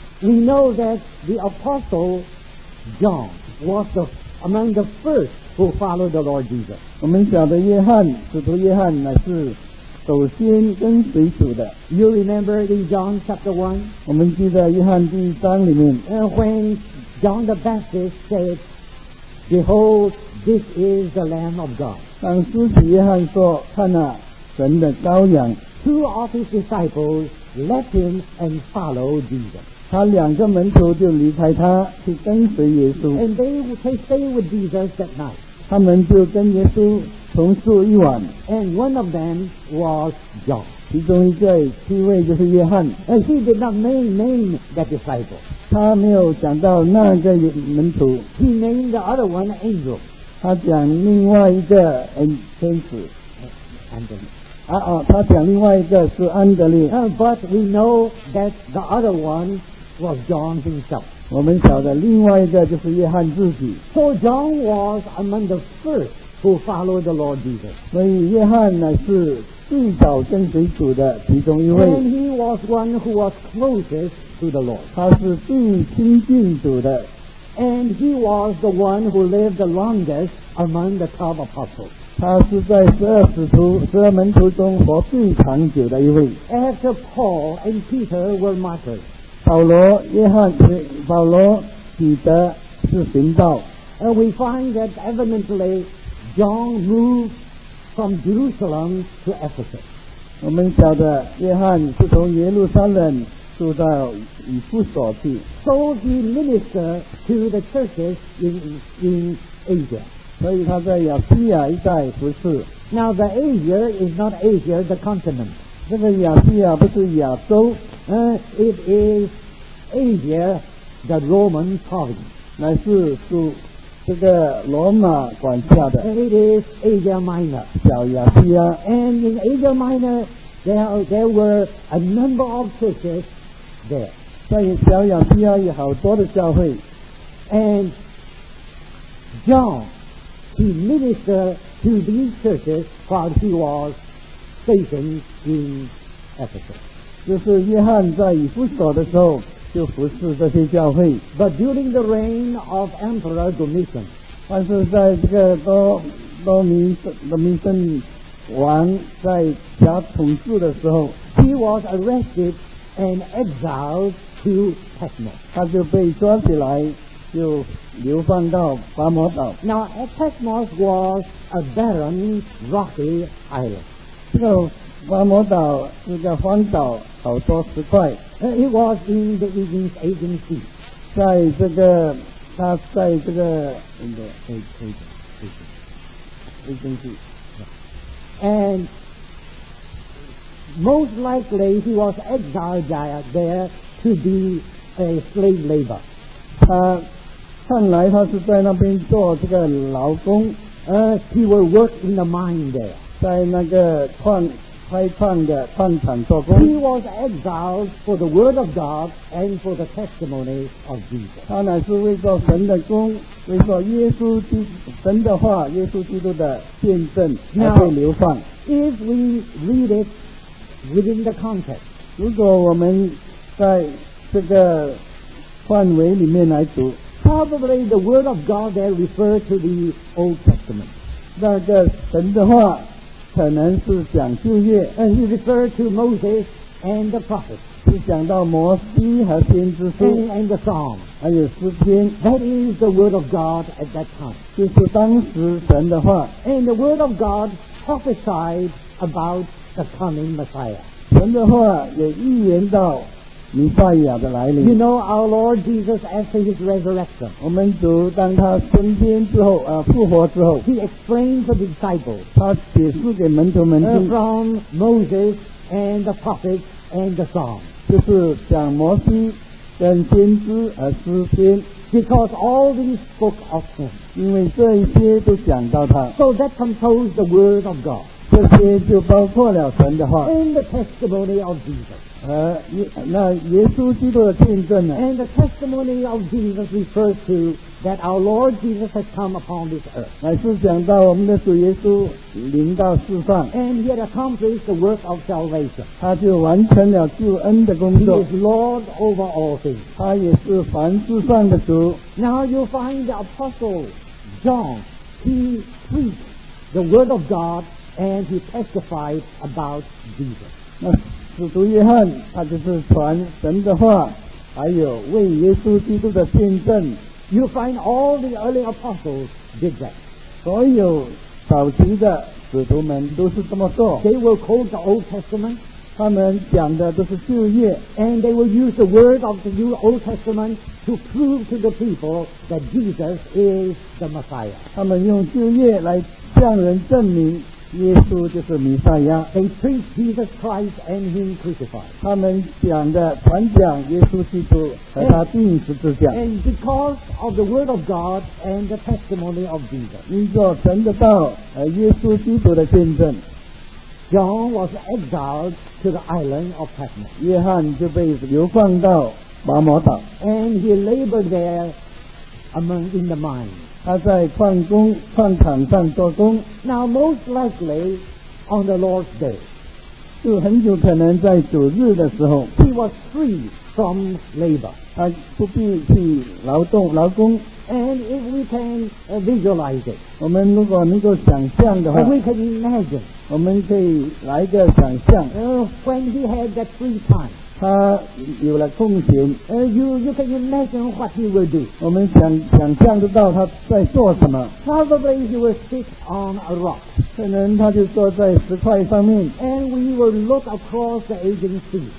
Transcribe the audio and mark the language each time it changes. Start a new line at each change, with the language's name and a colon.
English: We know that the Apostle John was among the first who followed the Lord Jesus.
Chinese: 我们晓得约翰，使徒约翰乃是首先跟随主的。
English: You remember in John chapter 1?
Chinese: 我们记得约翰第一章里面。
English: When John the Baptist said, Behold, this is the Lamb of God.
Chinese: 当使徒约翰说，看啊，神的羔羊。
English: Two of his disciples left him and followed Jesus.
Chinese: 他两个门徒就离开他，去跟随耶稣。
English: And they would stay with Jesus that night.
Chinese: 他们就跟耶稣同宿一晚。
English: And one of them was John.
Chinese: 其中一个七位就是约翰。
English: And he did not name that disciple.
Chinese: 他没有讲到那个门徒
English: He named the other one Angel
Chinese: 他讲另外一个天使安德烈他讲另外一个是安德烈
English: But we know that the other one was John himself
Chinese: 我们晓得另外一个就是约翰自己
English: So John was among the first who followed the Lord Jesus
Chinese: 所以约翰乃是最早跟随主的其中一位。
English: And he was one who was closest to the Lord.
Chinese: 他是最亲近主的。
English: And he was the one who lived the longest among the 12 apostles.
Chinese: 他是在十二使徒、十二门徒中活最长久的一位。
English: After Paul and Peter were martyred.
Chinese: 保罗、约翰、保罗、彼得是殉道。
English: And we find that evidently John moved from Jerusalem to Ephesus.
Chinese: 我们晓得约翰是从耶路撒冷住到以弗所去。
English: So he ministered to the churches in Asia.
Chinese: 所以他在亚细亚一带服事。
English: Now the Asia is not Asia, the continent.
Chinese: 这个亚细亚不是亚洲。
English: It is Asia, the Roman province.
Chinese: 乃是属这个罗马管辖的。
English: It is Asia Minor.
Chinese: 小亚细亚。
English: And in Asia Minor, there were a number of churches there.
Chinese: 在小亚细亚有好多的教会。
English: And John, he ministered to these churches while he was stationed in Ephesus.
Chinese: 就是约翰在以弗所的时候就服侍这些教会。
English: But during the reign of Emperor Domitian,
Chinese: 但是在这个多米森王在家统治的时候
English: ，he was arrested and exiled to Patmos.
Chinese: 他就被抓起来，就流放到巴摩岛。
English: Now Patmos was a barren, rocky island.
Chinese: 这个巴摩岛是个荒岛，好多石块。
English: It was in the East Asian Sea.
Chinese: 在这个，它在这个
English: in the Asian Sea. And most likely he was exiled there to be a slave labor.
Chinese: 他看来他是在那边做这个劳工。
English: He would work in the mine there.
Chinese: 在那个矿的矿场做工。
English: He was exiled for the word of God and for the testimony of Jesus.
Chinese: 他乃是为做神的工，为做耶稣基督神的话，耶稣基督的见证而被流放。
English: Now, if we read it within the context,
Chinese: 如果我们在这个范围里面来读
English: ，probably the word of God there refers to the Old Testament.
Chinese: 那个神的话。可能是讲旧约
English: ，and he referred to Moses and the prophets，
Chinese: 是讲到摩西和先知书
English: ，and the Psalms，
Chinese: 还有诗篇。
English: That is the word of God at that time，
Chinese: 就是当时神的话。
English: And the word of God prophesied about the coming Messiah，
Chinese: 神的话也预言到弥赛亚的来临。
English: You know our Lord Jesus after his resurrection，
Chinese: 我们读当他升天之后复活之后，
English: he explained to the disciples，
Chinese: 他解释给门徒们听，
English: from Moses and the prophets and the Psalm，
Chinese: 就是讲摩西跟先知和诗篇，
English: because all these spoke of him，
Chinese: 因为这一些都讲到他。
English: So that composed the word of God，
Chinese: 这些就包括了神的话。
English: And the testimony of Jesus，
Chinese: 那耶稣基督的见证呢？
English: And the testimony of Jesus refers to that our Lord Jesus has come upon this earth.
Chinese: 乃是讲到我们的主耶稣临到世上。
English: And he had accomplished the work of salvation.
Chinese: 他就完成了救恩的工作。
English: He is Lord over all things.
Chinese: 他也是凡世上的主。
English: Now you find the apostle John, he preached the word of God and he testified about Jesus.
Chinese: 那使徒约翰他就是传神的话，还有为耶稣基督的见证。
English: You find all the early apostles did that.
Chinese: 所有早期的使徒们都是这么做。
English: They will quote the Old Testament.
Chinese: 他们讲的都是旧约。
English: And they will use the word of the new Old Testament to prove to the people that Jesus is the Messiah.
Chinese: 他们用旧约来向人证明耶稣就是弥赛亚。
English: They preach Jesus Christ and him crucified.
Chinese: 他们讲的传讲耶稣基督和他钉十字架。
English: And because of the word of God and the testimony of Jesus.
Chinese: 因着神的道和耶稣基督的见证。
English: John was exiled to the island of Patmos.
Chinese: 约翰就被流放到巴摩岛。
English: And he labored there among in the mine.
Chinese: 他在矿场上做工。
English: Now most likely on the Lord's day，
Chinese: 就很久可能在主日的时候
English: he was free from labor
Chinese: 他不必去劳动劳工
English: and if we can visualize it
Chinese: 我们如果能够想象的话
English: we can imagine
Chinese: 我们可以来一个想象
English: when he had that free time
Chinese: 他有了空闲
English: you can imagine what he will do
Chinese: 我们想象得到他在做什么
English: probably he will sit on a rock
Chinese: 可能他就坐在石块上面
English: and we will look across the aging sea